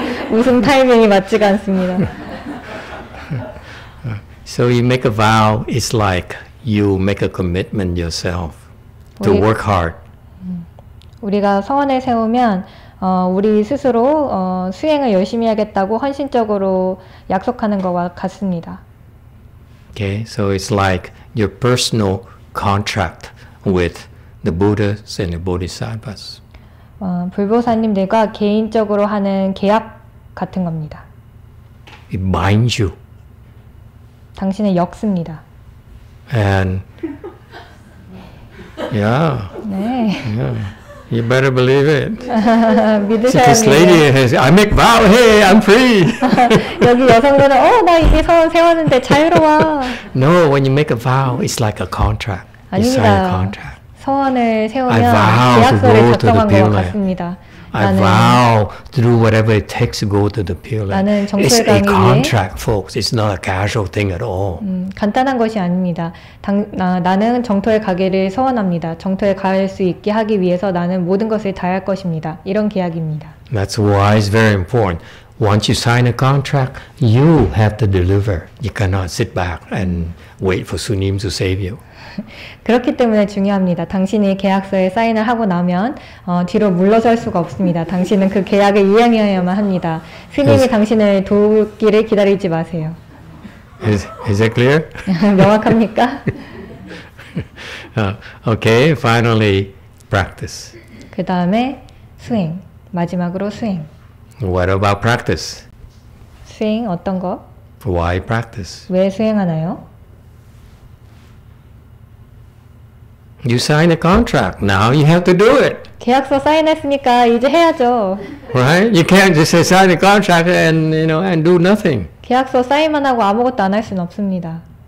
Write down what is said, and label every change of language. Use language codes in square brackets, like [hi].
[ko] 무슨 타이밍이 맞지가 않습니다. [en] So you make a vow, it's like you make a commitment yourself to work hard. [ko] 우리가 서원을 세우면 우리 스스로 수행을 열심히 하겠다고 헌신적으로 약속하는 것과 같습니다. [en] Okay, so it's like your personal contract with the Buddhas and the Bodhisattvas. [ko] 불보사님들과 개인적으로 하는 계약 같은 겁니다. [en] It binds you. [ko] 당신의 역습니다. [en] And yeah. [ko] 네. [en] Yeah. You better believe it. [ko] 믿으셔야 [en] this [ko] 믿어요. [en] This lady has, I make vow. Hey, I'm free. [ko] 여기 여성분은 나 이제 서원 세웠는데 자유로워. [en] No, when you make a vow, it's like a contract. [ko] 아닙니다. [en] You sign a contract. [ko] 서원을 세우면 계약서를 작성한 것 같습니다. [en] I vow to do whatever it takes to go to the Pure Land. [ko] 나는 정철 강의. [en] It's a contract, folks. It's not a casual thing at all. [ko] 간단한 것이 아닙니다. 나는 정토에 가기를 서원합니다. 정토에 갈 수 있게 하기 위해서 나는 모든 것을 다할 것입니다. 이런 계약입니다. [en] That's why it's very important. Once you sign a contract, you have to deliver. You cannot sit back and wait for Sunim to save you. [ko] 그렇기 때문에 중요합니다. 당신이 계약서에 사인을 하고 나면 뒤로 물러설 수가 없습니다. 당신은 그 계약을 이행해야만 합니다. 스님이 당신을 도우기를 기다리지 마세요. [en] Is that clear? [ko] 명확합니까? [en] Okay, finally, practice. [ko] 그 다음에 수행, 마지막으로 수행. [en] What about practice? [ko] 수행 어떤 거? [en] Why practice? [ko] 왜 수행하나요? [en] You sign a contract. Now you have to do it. [ko] 계약서 사인했으니까 이제 해야죠. [en] Right? You can't just sign a contract and you know and do nothing. [ko] 계약서 사인만 하고 아무것도 안 할 순 없습니다.